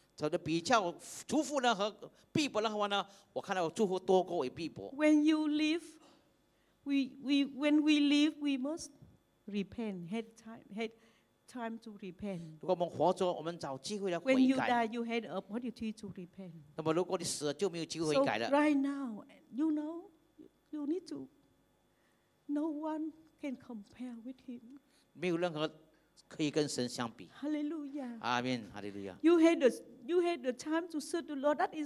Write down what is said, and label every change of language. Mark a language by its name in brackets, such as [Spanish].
[Chinese] So, 比较祝福呢和逼迫的话呢，我看到祝福多过于逼迫。 [English] When you live, when we live, we must repent. Had time to repent. [Chinese] 如果我们活着，我们找机会来悔改。 [English] When you die, you had opportunity to repent. [Chinese] 那么如果你死了，就没有机会悔改了。 [English] So right now, you know, you need to. No one can compare with him. [Chinese] 没有任何可以跟神相比。 [English] Hallelujah. Amen. Hallelujah. You had the time to serve the Lord.